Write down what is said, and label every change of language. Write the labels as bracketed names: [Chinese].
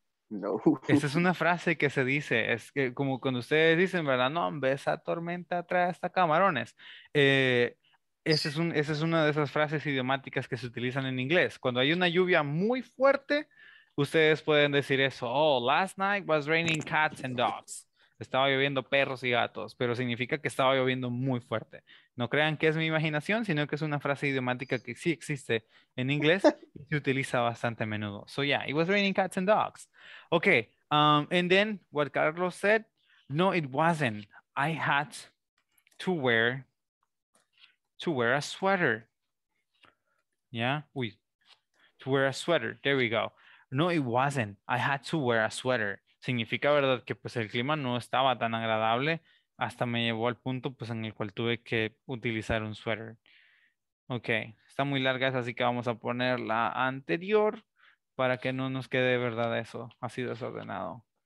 [Spanish] No. Esta es una frase que se dice. Es que como cuando ustedes dicen, ¿verdad? No, hombre, esa tormenta trae hasta camarones. Esa es una de esas frases idiomáticas que se utilizan en inglés. Cuando hay una lluvia muy fuerte, ustedes pueden decir eso. [English] Oh, last night was raining cats and dogs. [Spanish] Estaba lloviendo perros y gatos, pero significa que estaba lloviendo muy fuerte. No crean que es mi imaginación, sino que es una frase idiomática que sí existe en inglés y se utiliza bastante a menudo. [English] So yeah, it was raining cats and dogs. Okay, and then what Carlos said, no, it wasn't. I had to wear a sweater. Yeah, uy, to wear a sweater, there we go. No, it wasn't. I had to wear a sweater. [Spanish] Significa, ¿verdad?, que pues el clima no estaba tan agradable, hasta me llevó al punto pues en el cual tuve que utilizar un sweater. Ok, está muy larga esa, así que vamos a poner la anterior para que no nos quede, ¿verdad?, eso, así desordenado.